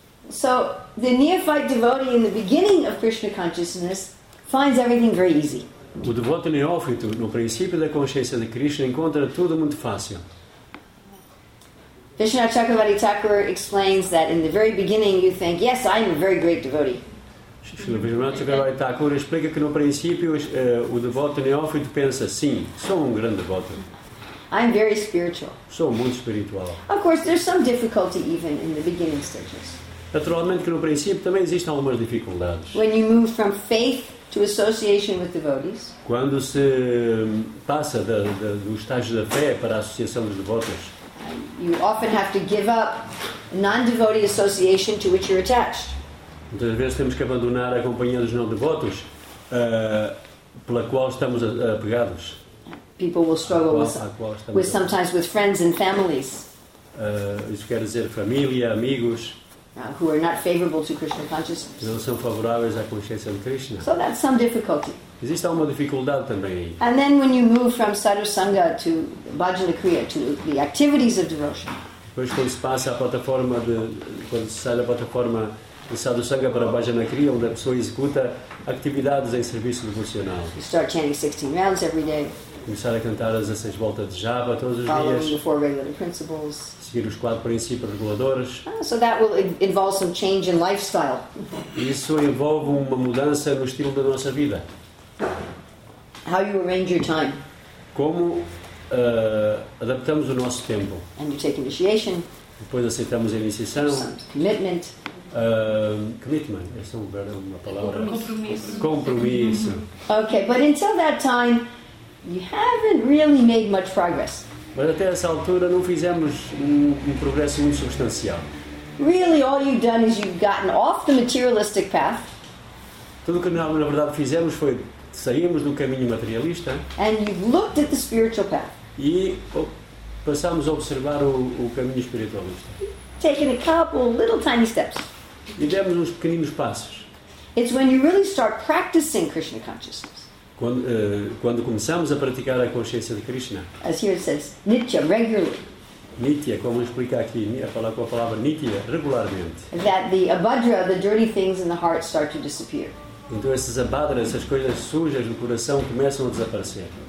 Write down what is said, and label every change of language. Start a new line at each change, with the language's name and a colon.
English: So, the neophyte devotee in the beginning of Krishna consciousness finds everything very easy.
Portuguese: O devoto neófito, no princípio da consciência de Krishna, encontra tudo muito fácil.
English: Vishnu Chakravarti Thakur explains that in the very beginning you think, yes, I'm a very great devotee.
Portuguese: Vishnu Chakravarti Thakur explica que no princípio o devoto neófito pensa, sim, sou grande devoto.
English: I'm very spiritual.
Portuguese: Sou muito espiritual.
English: Of course, there's some difficulty even in the beginning stages.
Portuguese: Naturalmente que no princípio também existem algumas dificuldades.
English: When you move from faith to association with devotees.
Portuguese: Quando se passa do estágio da fé para a associação dos devotos.
English: You often have to give up non-devotee association to which you're attached.
Portuguese: Muitas vezes temos que abandonar a companhia dos não-devotos pela qual estamos apegados.
English: People will struggle with sometimes with friends and families.
Portuguese: Isso quer dizer família, amigos.
English: Who are not favorable to Krishna consciousness.
Portuguese: Não são favoráveis à consciência de Krishna.
English: So that's some difficulty.
Portuguese: Existe alguma dificuldade também aí.
English: And then when you move from sadhusanga to bhajana kriya to the activities of devotion.
Portuguese: Depois quando se passa a plataforma de quando se sai da plataforma de sadhusanga para bhajana kriya, onde a pessoa executa atividades em serviço devocional.
English: You start chanting 16 rounds every day.
Portuguese: Começar a cantar as 16 voltas de Java todos os dias.
English: The four regular principles.
Portuguese: Seguir os quatro princípios reguladores.
English: So that will involve some change in lifestyle.
Portuguese: Isso envolve uma mudança no estilo da nossa vida.
English: How you arrange your time.
Portuguese: Como adaptamos o nosso tempo.
English: And you take initiation.
Portuguese: Depois aceitamos a iniciação.
English: Commitment.
Portuguese: Commitment. Essa é uma palavra. Compromisso. Compromisso.
English: Okay, but until that time, you haven't really made much progress.
Portuguese: Mas até essa altura não fizemos um progresso muito substancial.
English: Really, all you've done is you've gotten off the materialistic path.
Portuguese: Tudo que na verdade fizemos foi saímos do caminho materialista.
English: And you've looked at the spiritual path.
Portuguese: E passamos a observar o caminho espiritualista.
English: Taking a couple little tiny steps.
Portuguese: E demos uns pequeninos passos.
English: It's when you really start practicing Krishna consciousness.
Portuguese: Quando começamos a praticar a consciência de Krishna.
English: As here it says, nitya, regularly.
Portuguese: Nitya, como explica aqui, a falar com a palavra nitya, regularmente.
English: That the abhadra, the dirty things in the heart start to disappear.
Portuguese: Então essas abhadras, essas coisas sujas no coração começam a desaparecer.